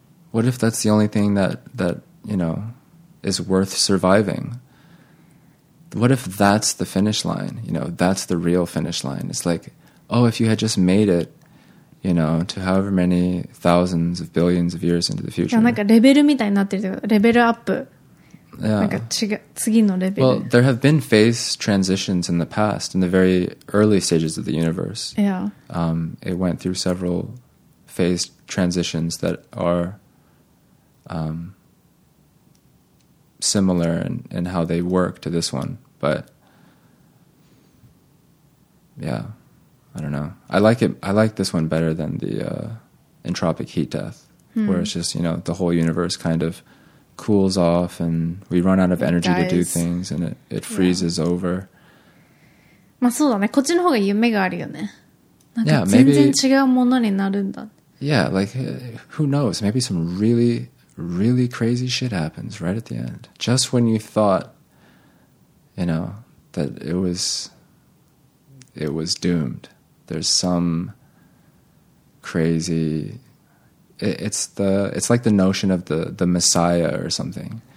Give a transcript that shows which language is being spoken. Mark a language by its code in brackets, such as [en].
[en] What if that's the only thing that you know, is worth surviving? What if that's the finish line? You know, that's the real finish line. It's like, oh, if you had just made it, you know, to however many thousands of billions of years into the future. [ja] レベルみたいになってる。レベルアップ。 [en] Yeah. Well, there have been phase transitions in the past, in the very early stages of the universe. Yeah. It went through several phase transitions that are similar in how they work to this one. But yeah, I don't know. I like it. I like this one better than the entropic heat death, where it's just, you know, the whole universe kind of cools off and we run out of energy to do things and it freezes over. [ja] まあそうだね。こっちの方が夢があるよね。なんか全然違うものになるんだ。Yeah, [en] like who knows? Maybe some really, really crazy shit happens right at the end. Just when you thought, you know, that it was doomed. There's some crazy... It's like the notion of the Messiah or something.